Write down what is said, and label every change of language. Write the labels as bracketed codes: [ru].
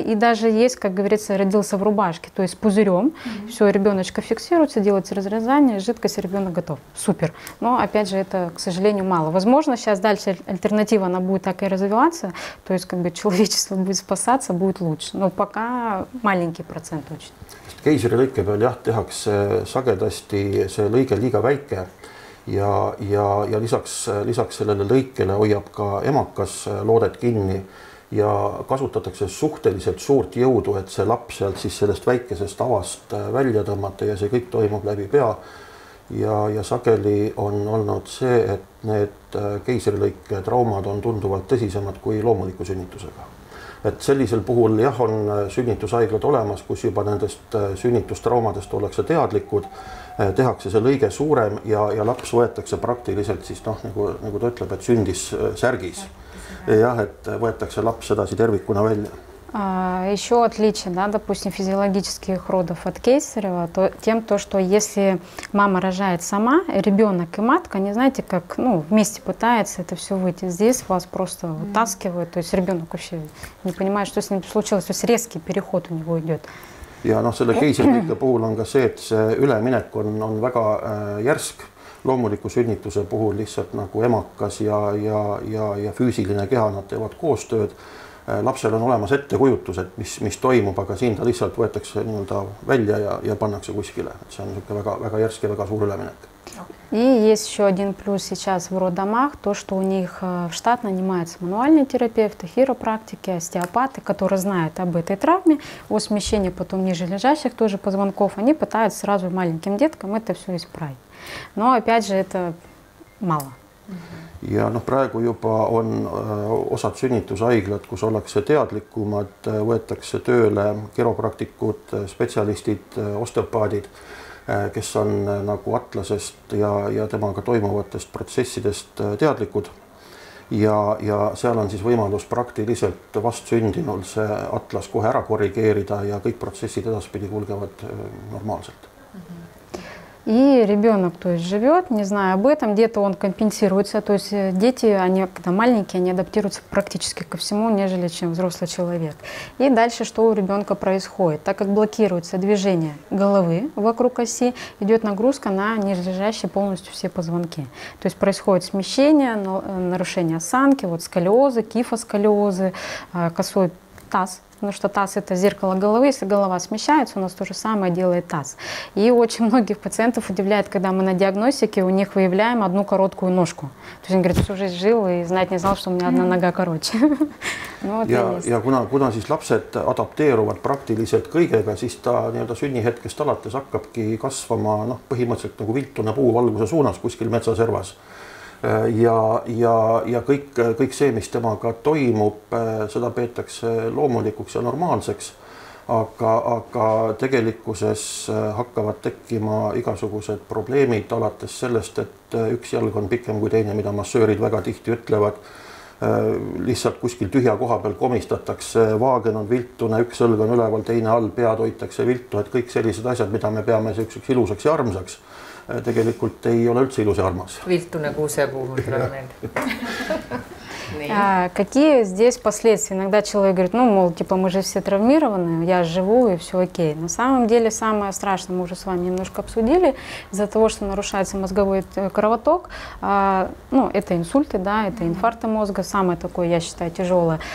[ru] И даже есть, как говорится, родился в рубашке, то есть пузырем. Mm-hmm. Все, ребеночка фиксируется, делается разрезание, жидкость, ребенок готов. Супер. Но, опять же, это, к сожалению, мало. Возможно, сейчас дальше альтернатива, она будет так и развиваться. То есть, как бы, человечество будет спасаться, будет лучше. Но пока маленький процент очень. [et] Keisri lõike peal jah, tehakse sagedasti see lõige liiga väike ja lisaks sellele lõikele hoiab ka emakas loodet kinni ja kasutatakse suhteliselt suurt jõudu, et see laps sealt siis sellest väikesest avast välja tõmmata ja see kõik toimub läbi pea. Ja sageli on olnud see, et need keisri lõike traumad on tunduvalt tõsisemad kui loomuliku sünnitusega. Et sellisel puhul jah, on sünnitusaiglad olemas, kus juba nendest sünnitustraumadest ollakse teadlikud, tehakse see lõige suurem ja laps võetakse praktiliselt siis noh, nagu ta ütleb, et sündis särgis. Jah, et võetakse laps edasi tervikuna välja. [ru] Еще отличие, да, допустим, физиологических родов от кейсарева, то тем, то, что если мама рожает сама, ребенок и матка, они, знаете, как ну, вместе пытаются это все выйти. Здесь вас просто вытаскивают, то есть ребенок вообще не понимает, что с ним случилось, то есть резкий переход у него идет. [et] Ja, no, selle кейсарелика puhul on ka see, et see üleminek on väga järsk. Loomuliku sünnituse puhul lihtsalt nagu emakas ja füüsiline keha, nad teevad koostööd. Lapsel on olemas ettekujutus, et mis toimub, aga siin ta lihtsalt võetakse nii-öelda välja ja pannakse kuskile. Et see on väga, väga järsk ja väga suur üleminek. [ru] И есть еще один плюс сейчас в роддомах, то, что у них в штат нанимаются мануальные терапевты, хиропрактики, остеопаты, которые знают об этой травме, о смещении потом нижележащих тоже позвонков, они пытаются сразу маленьким деткам это все исправить. Но опять же это мало. [et] Ja noh, praegu juba on osad sünnitusaiglad, kus ollakse teadlikumad, võetakse tööle kiropraktikud, spetsialistid, osteopaadid, kes on nagu atlasest ja temaga toimuvatest protsessidest teadlikud. Ja seal on siis võimalus praktiliselt vastsündinul see atlas kohe ära korrigeerida ja kõik protsessid edaspidi kulgevad normaalselt. [ru] И ребенок, то есть живет, не знаю об этом, где-то он компенсируется, то есть дети, они когда маленькие, они адаптируются практически ко всему, нежели чем взрослый человек. И дальше что у ребенка происходит? Так как блокируется движение головы вокруг оси, идет нагрузка на нижележащие полностью все позвонки. То есть происходит смещение, нарушение осанки, вот сколиозы, кифосколиозы, косой таз. Потому что таз – это зеркало головы. Если голова смещается, у нас то же самое делает таз. И очень многих пациентов удивляет, когда мы на диагностике у них выявляем одну короткую ножку. То есть он говорит, всю жизнь жил и знать не знал, что у меня одна нога короче. [et] Ja kuna siis lapsed adapteeruvad praktiliselt kõigega, siis ta nii-öelda sünnihetkest alates hakkabki kasvama põhimõtteliselt nagu viltune puu valguse suunas kuskil metsaservas. Ja kõik see, mis temaga toimub, seda peetakse loomulikuks ja normaalseks, aga tegelikkuses hakkavad tekkima igasugused probleemid alates sellest, et üks jalg on pikem kui teine, mida massöörid väga tihti ütlevad. Lihtsalt kuskil tühja koha peal komistatakse, vaagen on viltune, üks õlg on üleval, teine all, pead hoitakse viltu, et kõik sellised asjad, mida me peame üks ilusaks ja armsaks. Tegelikult ei ole üldse ilus armas. Viltune kuuse puhul tuleb meelde. [ru] Какие здесь последствия? Иногда человек говорит, ну, мол, типа, мы же все травмированы, я живу, и все окей. На самом деле, самое страшное, мы уже с вами немножко обсудили, из-за того, что нарушается мозговой кровоток, ну, это инсульты, да, это инфаркты мозга, самое такое, я считаю, тяжелое.